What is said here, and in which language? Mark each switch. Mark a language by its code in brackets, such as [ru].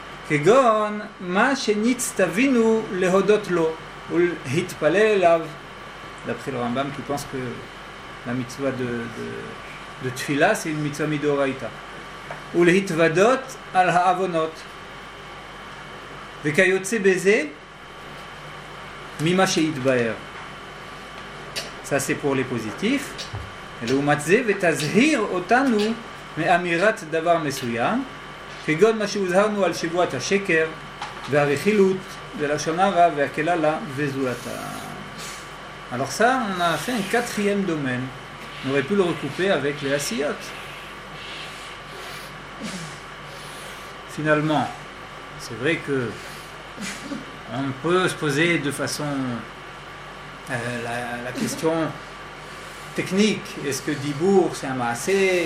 [he] כגון מה שנצטווינו להודות לו ולהתפלל אליו [fr] d'après le Rambam qui pense que la mitzvah de tefila c'est une mitzvah midoraita [he] ולהתוודות על האבונות וכיוצא בזה ממה שהתבהר. [fr] Ça c'est pour les positifs. [he] לעומת זה ותזהיר אותנו מאמירת דבר מסוים כגון מה שהוזהרנו על שבועת השקר והרכילות ולשון הרע והכללה וזולתה. [fr] Alors ça, on a fait un quatrième domaine. On aurait pu le recouper avec les assiyot. Finalement, c'est vrai que on peut se poser de façon la question technique, est-ce que Dibour c'est un maasé?